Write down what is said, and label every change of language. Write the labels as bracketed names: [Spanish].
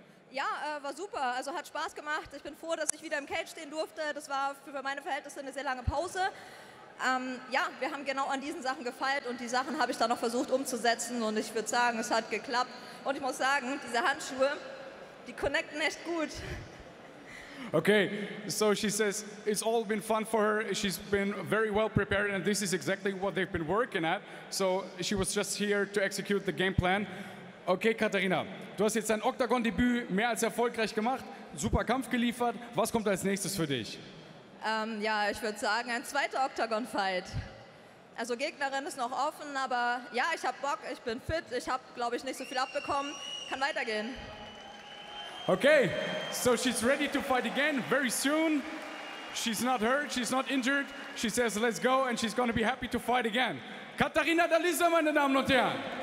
[German] Ja, war super. Also hat Spaß gemacht. Ich bin froh, dass ich wieder im Cage stehen durfte. Das war für meine Verhältnisse eine sehr lange Pause. Ja, wir haben genau an diesen Sachen gefeilt und die Sachen habe ich dann noch versucht umzusetzen. Und ich würde sagen, es hat geklappt. Und ich muss sagen, diese Handschuhe, die connecten echt gut. [English] Okay, so she says it's all been fun for her. She's been very well prepared and this is exactly what they've been working at. So she was just here to execute the game plan. [German] Okay, Katharina, du hast jetzt dein Octagon-Debüt mehr als erfolgreich gemacht, super Kampf geliefert. Was kommt als nächstes für dich? Ja, ich würde sagen, ein zweiter Octagon-Fight. Also Gegnerin ist noch offen, aber ja, ich habe Bock, ich bin fit, ich habe, glaube ich, nicht so viel abbekommen, kann weitergehen. [English] Okay, so she's ready to fight again very soon. She's not hurt, she's not injured. She says, let's go, and she's going to be happy to fight again. [German] Katharina Dalizda, meine Damen und Herren.